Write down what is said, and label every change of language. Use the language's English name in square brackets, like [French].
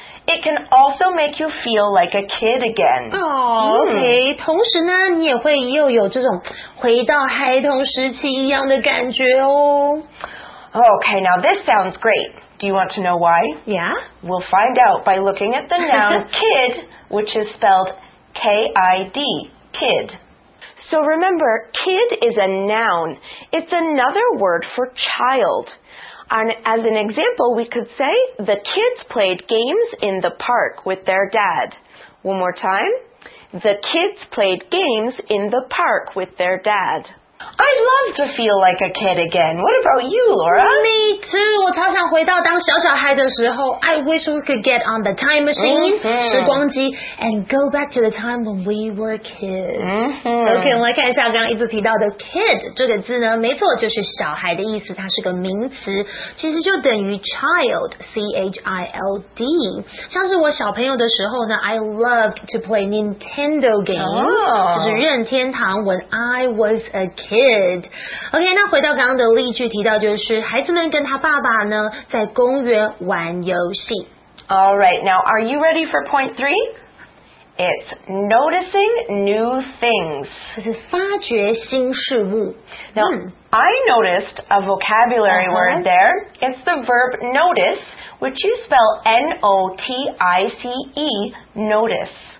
[English] It can also make you feel like a kid again. [Chinese] Okay, 同时呢，你也会又有这种回到孩童时期一样的感觉哦。 [English] Okay, now this sounds great. Do you want to know why? Yeah. We'll find out by looking at the noun kid, which is spelled K-I-D, kid. So remember, kid is a noun. It's another word for child. And as an example, we could say, the kids played games in the park with their dad. One more time. The kids played games in the park with their dad. I'd love to feel like a kid again. What about you, Laura? Me too. [Chinese] 我超想回到当小小孩的时候。 [English] I wish we could get on the time machine, [Chinese] 时光机 [English] and go back to the time when we were kids. [Chinese] Okay, 我们来看一下刚刚一直提到的 kid 这个字呢，没错，就是小孩的意思，它是个名词，其实就等于 child, C-H-I-L-D. 像是我小朋友的时候呢， [English] I loved to play Nintendo games, [Chinese] 就是任天堂 [English] when I was a kid. [Chinese] OK, 那回到刚刚的例句提到就是孩子们跟他爸爸呢在公园玩游戏。 [English] All right, now are you ready for point three? It's noticing new things. [Chinese] 这是发掘新事物。 [English] Now,I noticed a vocabulary word there. It's the verb notice, which you spell N-O-T-I-C-E, notice.